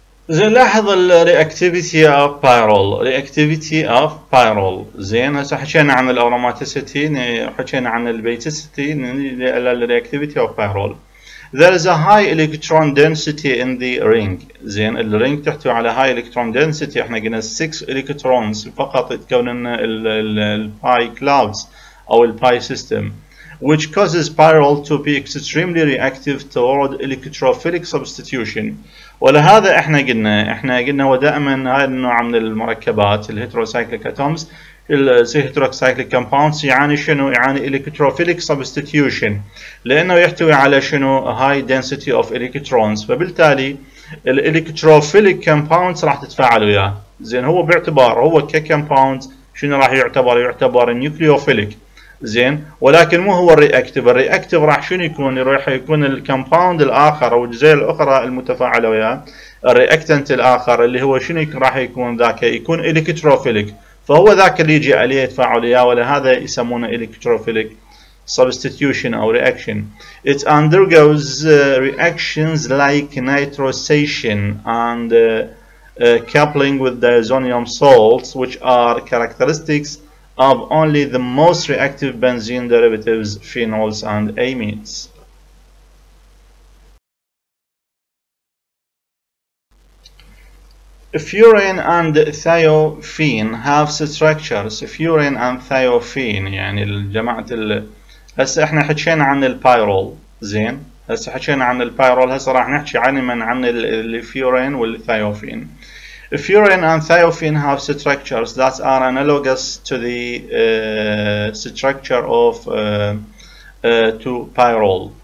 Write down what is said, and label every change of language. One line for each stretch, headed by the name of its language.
Arabic: زين لاحظ الرياكتيفيتي اوف بايرول، رياكتيفيتي اوف بايرول زين. هسه حكينا عن الاروماتيسيتي، حكينا عن البيتيسيتي، الرياكتيفيتي اوف بايرول.
English: There is a high electron density in the ring زين،
Arabic: الرينج تحتوي على high electron density، احنا قلنا 6 electrons فقط تكون لنا الباي كلاودز او الباي سيستم
English: which causes pyrrole to be extremely reactive toward electrophilic substitution.
Arabic: ولهذا احنا قلنا هو دائما هاي النوع من المركبات الهيتروسايكليك اتومز الهيتروسايكليك كومباوندز يعني شنو؟ يعني electrophilic substitution، لانه يحتوي على شنو؟
English: high density of electrons،
Arabic: فبالتالي الالكتروفيليك كومباوندز راح تتفاعل وياه زين. هو باعتبار هو ككومباوند شنو راح يعتبر؟ يعتبر نيوكليوفيليك زين، ولكن مو هو الرياكتيف. الرياكتيف راح شنو يكون؟ راح يكون الكومباوند الاخر او الجزيئه الاخرى المتفاعله وياه، الرياكتنت الاخر اللي هو شنو راح يكون؟ ذاك يكون الكتروفيليك، فهو ذاك اللي يجي عليه يتفاعل وياه، ولهذا يسمونه الكتروفيليك سبستيتيوشن او رياكشن.
English: It undergoes reactions like nitrosation and coupling with diazonium salts which are characteristics of only the most reactive benzene derivatives, phenols and amines. Furan and thiophene have structures. Furan and thiophene
Arabic: يعني الجماعة هسه احنا حكينا عن البايرول زين، هسه حكينا عن البايرول، هسه راح نحكي عن الفيورين والثيوفين.
English: Furan and thiophene have structures that are analogous to the structure of to pyrrole.